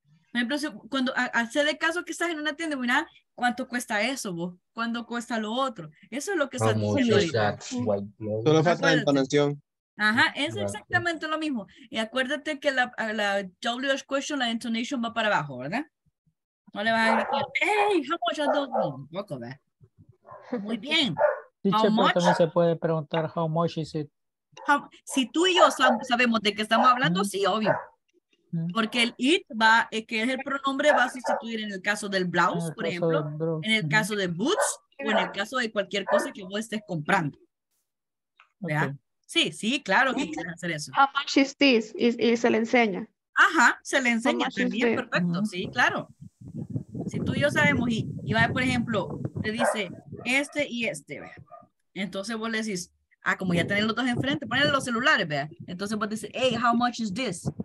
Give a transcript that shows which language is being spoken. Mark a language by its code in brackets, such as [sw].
[es] Por ejemplo, cuando hace de caso que estás en una tienda, mira, ¿cuánto cuesta eso, vos? ¿Cuánto cuesta lo otro? Eso es lo que está diciendo. Solo falta la entonación. Ajá, es exactamente lo mismo. Y acuérdate que la WH question, la intonation va para abajo, ¿verdad? No le vas a decir, [en] hey, how much are those? [es] No, poco, ¿verdad? Muy bien. Dicho, pero también se puede preguntar, [en] how much is it? [es] Si tú y yo sabemos de qué estamos hablando, sí, obvio. Porque el it va, que es el pronombre, va a sustituir en el caso del blouse, por ejemplo, en el caso de boots o en el caso de cualquier cosa que vos estés comprando. ¿Vea? Okay. Sí, sí, claro que quieres hacer eso. [en] How much is this? [es] Y se le enseña. Ajá, se le enseña también, perfecto. Sí, claro. Si tú y yo sabemos, y va, por ejemplo, te dice este y este, ¿vea? Entonces vos le decís, ah, como ya tenés los dos enfrente, ponen los celulares, ¿vea? Entonces vos decís, [en] hey, how much is this?